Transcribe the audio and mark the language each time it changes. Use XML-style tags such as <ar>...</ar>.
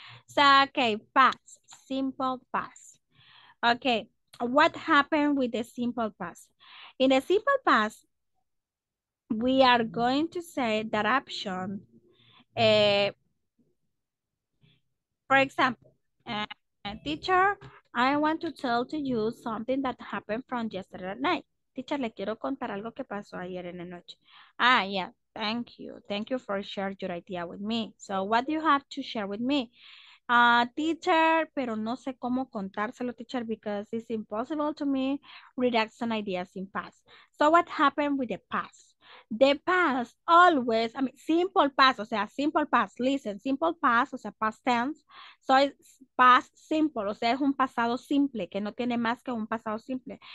<en>So, okay, past, simple past. Okay, what happened with the simple past? In the simple past, we are going to say that option. For example, teacher, I want to tell to you something that happened from yesterday at night.</en> <es>Teacher, le quiero contar algo que pasó ayer en la noche.</es> <en>Ah, yeah, thank you. Thank you for sharing your idea with me. So what do you have to share with me? Teacher,</en> <es>pero no sé cómo contárselo,</es> <en>teacher, because it's impossible to me reaction ideas in past. So what happened with the past? The past always, I mean, simple past, o sea, simple past, listen, simple past, o sea, past tense, so it's past simple, o sea,</en> <es>es un pasado simple,</es> <en>que no tiene más que un pasado simple.</en>